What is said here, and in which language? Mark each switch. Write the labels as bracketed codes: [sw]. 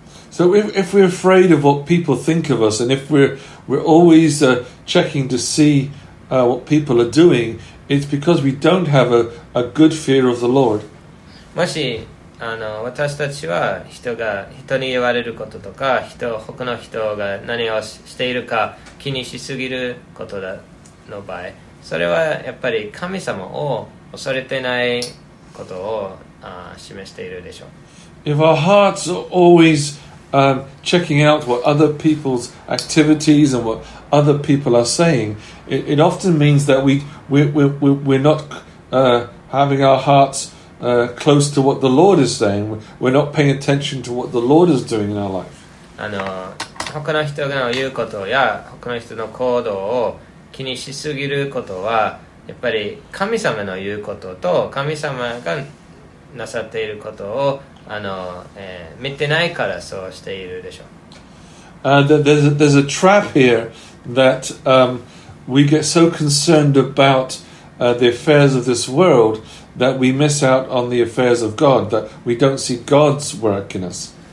[en] So if we're afraid of what people think of us, and if we're always checking to see what people are doing, it's because we don't have a good fear of the Lord. [ja] もし私たちは人に言われることとか他の人が何をしているか気にしすぎることだの場合、それはやっぱり神様を恐れてないことを示しているでしょう。 [en] If our hearts are always checking out what other people's activities and what other people are saying, it often means that we're not having our hearts close to what the Lord is saying. We're not paying attention to what the Lord is doing in our life. [ja] 他の人が言うことや他の人の行動を気にしすぎることは、やっぱり神様の言うことと神様がなさっていることを見てないからそうしているでしょう。 [en] There's a trap here that we get so concerned about the affairs of this world that we miss out on the affairs of God, that we don't see God's work in us.